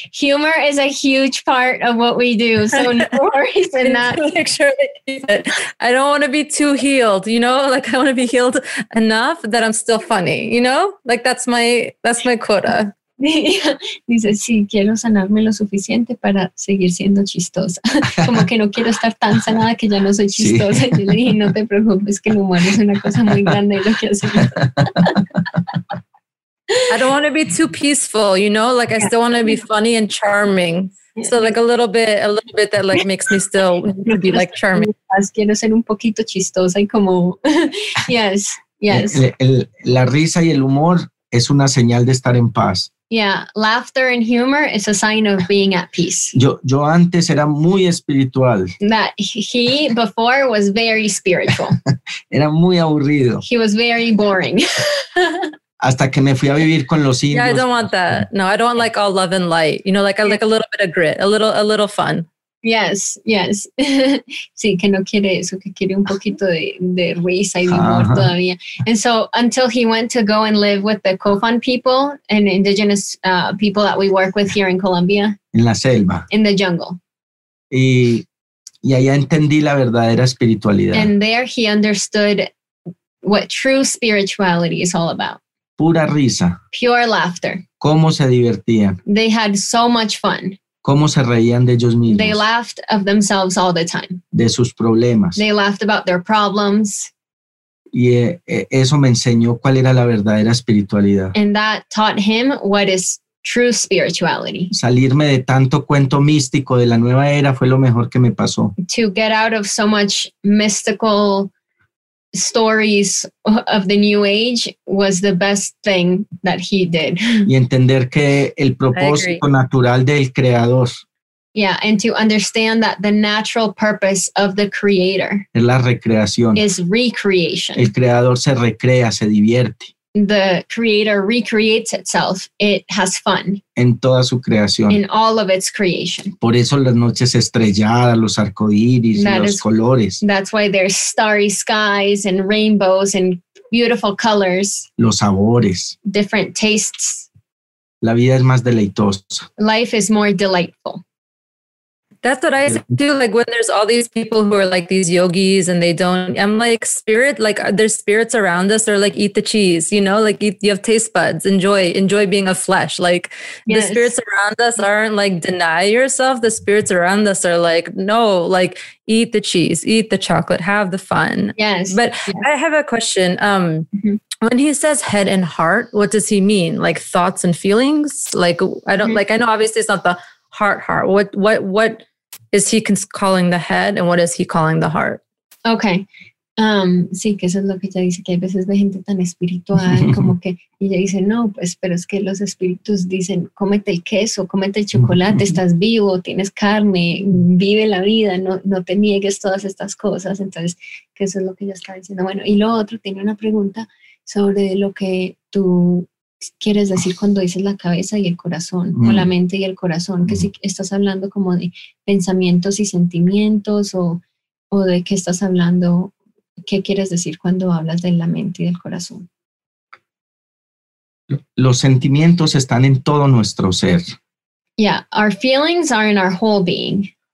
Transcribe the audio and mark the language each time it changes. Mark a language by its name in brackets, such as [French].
[English] Humor is a huge part of what we do. So no worries in that. Make sure that I don't want to be too healed, you know? Like I want to be healed enough that I'm still funny, you know? Like that's my quota. [Spanish] Dice, sí, quiero sanarme lo suficiente para seguir siendo chistosa. Como que no quiero estar tan sanada que ya no soy chistosa. Sí. Yo le dije, no te preocupes, que el humor es una cosa muy grande y lo que hace. [English] I don't want to be too peaceful, you know? Like, I still want to be funny and charming. So, like, a little bit that, like, makes me still be, like, charming. [Spanish] Quiero ser un poquito chistosa y como... [English] Yes, yes. [Spanish] La risa y el humor es una señal de estar en paz. [English] Yeah, laughter and humor is a sign of being at peace. [Spanish] Yo antes era muy espiritual. [English] That he, before, was very spiritual. [Spanish] Era muy aburrido. [English] He was very boring. [Spanish] Hasta que me fui a vivir con los indios. [English] Yeah, I don't want that. No, I don't want like all love and light. You know, like I like a little bit of grit, a little fun. Yes, yes. [Spanish] Sí, que no quiere eso, que quiere un poquito de risa y de humor todavía. [English] And so until he went to go and live with the Cofan people and indigenous people that we work with here in Colombia. [Spanish] En la selva. [English] In the jungle. [Spanish] Y allá entendí la verdadera espiritualidad. [English] And there he understood what true spirituality is all about. [Spanish] Pura risa. [English] Pure laughter. [Spanish] Cómo se divertían. [English] They had so much fun. [Spanish] Cómo se reían de ellos mismos. [English] They laughed of themselves all the time. [Spanish] De sus problemas. [English] They laughed about their problems. [Spanish] Y eso me enseñó cuál era la verdadera espiritualidad. [English] And that taught him what is true spirituality. [Spanish] Salirme de tanto cuento místico de la nueva era fue lo mejor que me pasó. [English] To get out of so much mystical stories of the new age was the best thing that he did. [Spanish] Y entender que el propósito natural del creador. [English] Yeah, and to understand that the natural purpose of the creator [Spanish] es la recreación. [English] Is recreation. [Spanish] El creador se recrea, se divierte. [English] The creator recreates itself. It has fun. [Spanish] En toda su creación. [English] In all of its creation. [Spanish] Por eso las noches estrelladas, los arcoíris y los colores. [English] That's why there's starry skies and rainbows and beautiful colors. [Spanish] Los sabores. [English] Different tastes. [Spanish] La vida es más deleitosa. [English] Life is more delightful. That's what I say too, like when there's all these people who are like these yogis and they don't, I'm like, spirit, like there's spirits around us or like eat the cheese, you know, like eat, you have taste buds, enjoy being a flesh. Like yes. The spirits around us aren't like deny yourself. The spirits around us are like, no, like eat the cheese, eat the chocolate, have the fun. Yes. But yes. I have a question. When he says head and heart, what does he mean? Like thoughts and feelings? Like, I don't like, I know obviously it's not the heart. What is he calling the head and what is he calling the heart? Okay. [Spanish] Sí, que eso es lo que ella dice, que hay veces de gente tan espiritual, como que ella dice, no, pues, pero es que los espíritus dicen, cómete el queso, cómete el chocolate, estás vivo, tienes carne, vive la vida, no te niegues todas estas cosas. Entonces, que eso es lo que ella está diciendo. Bueno, y lo otro, tiene una pregunta sobre lo que tú quieres decir cuando dices la cabeza y el corazón, o la mente y el corazón, que si estás hablando como de pensamientos y sentimientos o de qué estás hablando, qué quieres decir cuando hablas de la mente y del corazón. Los sentimientos están en todo nuestro ser. [English] Yeah, our feelings are in our whole being.